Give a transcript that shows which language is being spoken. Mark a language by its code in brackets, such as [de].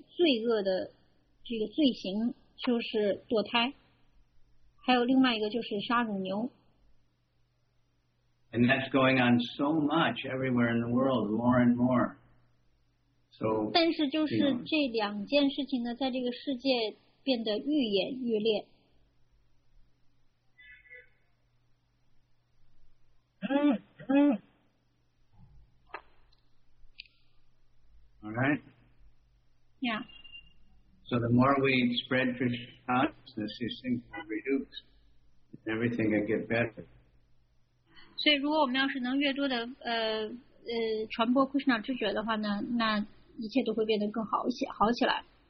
[zh] 最恶的这个罪行就是堕胎，还有另外一个就是杀乳牛。 [en] And that's going on so much everywhere in the world, more and more. So. [zh] 但是就是这两件事情呢，在这个世界变得愈演愈烈。 [en] All right. Yeah. So the more we spread Krishna consciousness, these things will reduce. Everything will get better. [zh] 所以如果我们要是能越多的传播 Krishna 知觉的话呢，那一切都会变得更好一些，好起来。